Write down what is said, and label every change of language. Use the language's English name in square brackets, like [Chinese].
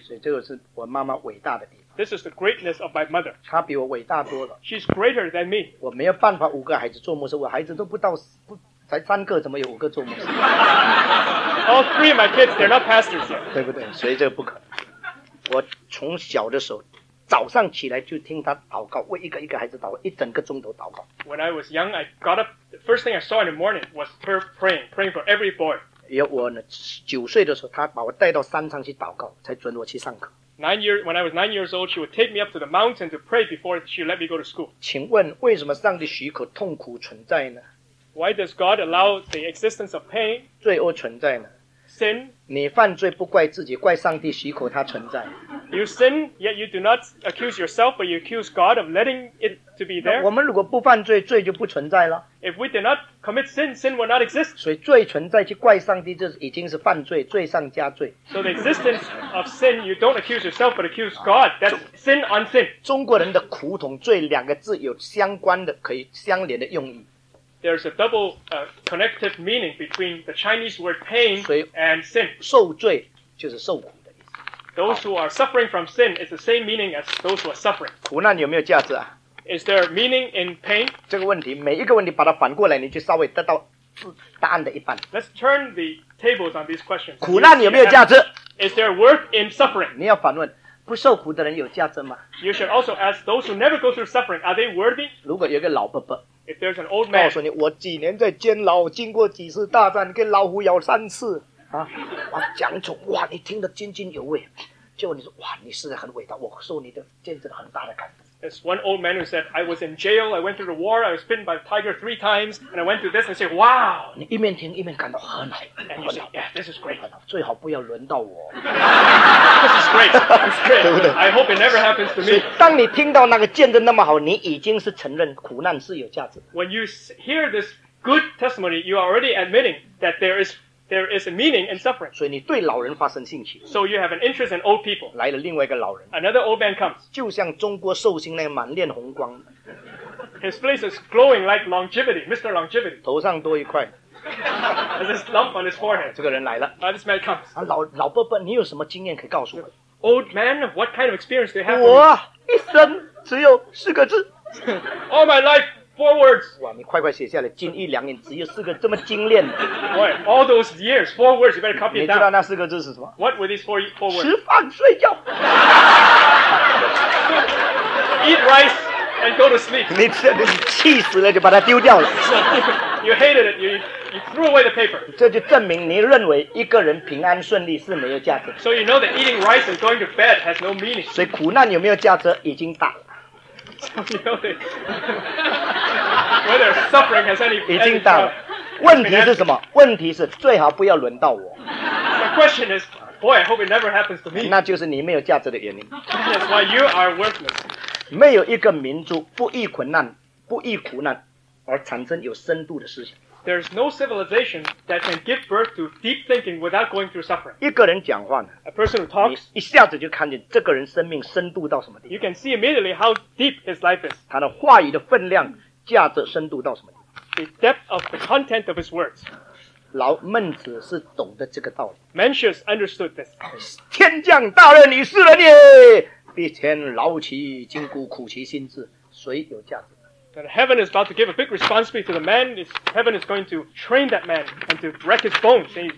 [Chinese] 所以这个是我妈妈伟大的地方。 [English] This is the greatness of my mother. [Chinese] 她比我伟大多了。 [English] She's greater than me. [Chinese] 我没有办法五个孩子做牧师，我孩子都不到不才三个，怎么有五个做牧师 [English] ？All three of my kids, they're not pastors yet. [Chinese] 对不对？所以这个不可能。我从小的时候，早上起来就听他祷告，为一个一个孩子祷告，一整个钟头祷告。 [English] When I was young, I got up. The first thing I saw in the morning was her praying for every boy. [Chinese] 因为我呢，九岁的时候，他把我带到山上去祷告，才准我去上课。 [English] When I was 9 years old, she would take me up to the mountain to pray before she let me go to school. [Chinese] 请问为什么上帝许可痛苦存在呢？ [English] Why does God allow the existence of pain? [Chinese] 罪恶存在呢？ [English] Sin. [Chinese] 你犯罪不怪自己，怪上帝许可它存在。 [English] You sin, yet you do not accuse yourself, but you accuse God of letting it to be there. [Chinese] 我们如果不犯罪，罪就不存在了。 [English] If we did not commit sin, sin would not exist. [Chinese] 所以罪存在去怪上帝，这已经是犯罪，罪上加罪。 [English] So the existence of sin, you don't accuse yourself, but accuse God. That's sin on sin. [Chinese] 中国人的苦同罪两个字有相关的可以相连的用意。 [English] There's a double connective meaning between the Chinese word pain and sin. [Chinese] 受罪就是受苦的意思。 [English] Those who are suffering from sin is the same meaning as those who are suffering. [Chinese] 苦难有没有价值啊？ [English] Is there meaning in pain? [Chinese] 这个问题，每一个问题把它反过来，你就稍微得到答案的一半。 [English] Let's turn the tables on these questions. [Chinese] 苦难有没有价值？ [English] Is there worth in suffering? [Chinese] 你要反问。不受苦的人有价值吗？ [English] You should also ask those who never go through suffering, are they worthy? [Chinese] 如果有个老伯伯， [English] If there's an old man, [Chinese] 告诉你我几年在监牢，经过几次大战，跟老虎咬三次啊，我讲出哇，你听得津津有味，结果你说哇，你是很伟大，我受你的见证很大的感动。 [English] There's one old man who said, I was in jail, I went through the war, I was bitten by a tiger 3 times, and I went through this and said, wow! [Chinese] 你一面听一面感到很好。 [English] And you say, yeah, this is great. [Chinese] 最好不要轮到我。 [English] This is great. It's great. [Chinese] 对不对？ [English] I hope it never happens to me. [Chinese] 当你听到那个见证那么好，你已经是承认苦难是有价值。 [English] When you hear this good testimony, you are already admitting that there is a meaning in suffering. [Chinese] 所以你对老人发生兴趣。 [English] So you have an interest in old people. [Chinese] 来了另外一个老人。 [English] Another old man comes. [Chinese] 就像中国寿星那个满脸红光。 [English] His face is glowing like longevity, Mr. Longevity. [Chinese] 头上多一块。 [English] There's this lump on his forehead. [Chinese] 这个人来了。 [English] This man comes. [Chinese] 老伯伯，你有什么经验可以告诉我？ [English] Old man, what kind of experience do you have? [Chinese] 我一生只有四个字。 [English] All my life. Four words. [Chinese] 哇，你快快写下来，金玉良言只有四个，这么精炼。 [English] Boy, all those years, four words, you better copy it down. [Chinese] 你知道那四个字是什么？ [English] What were these four words? [Chinese] 吃饭睡觉。 [English] Eat rice and go to sleep. [Chinese] 你气死了，就把它丢掉了。 [English] You hated it. You threw away the paper. [Chinese] 这就证明你认为一个人平安顺利是没有价值。 [English] So you know that eating rice and going to bed has no meaning. [Chinese] 所以苦难有没有价值，已经打。 [English] Whether suffering has any [Chinese] 已经打了。问题是什么？问题是最好不要轮到我。 [English] The question is, boy, I hope it never happens to me. [Chinese] 那就是你没有价值的原因。 [English] That's why you are worthless. [Chinese] 没有一个民族不遇困难、不遇苦难而产生有深度的思想。 [English] There's no civilization that can give birth to deep thinking without going through suffering. [Chinese] 一个人讲话呢， [English] a person who talks, [Chinese] 一下子就看见这个人生命深度到什么地方。 [English] You can see immediately how deep his life is. [Chinese] 他的话语的分量、价值、深度到什么地方。 [English] The depth of the content of his words. [Chinese] 老孟子是懂得这个道理。 [English] Mencius understood this. [Chinese] 天降大任于斯人也，必先劳其筋骨，苦其心志，谁有价值？ [English] that heaven is about to give a big responsibility to the man. Heaven is going to train that man and to break his bones.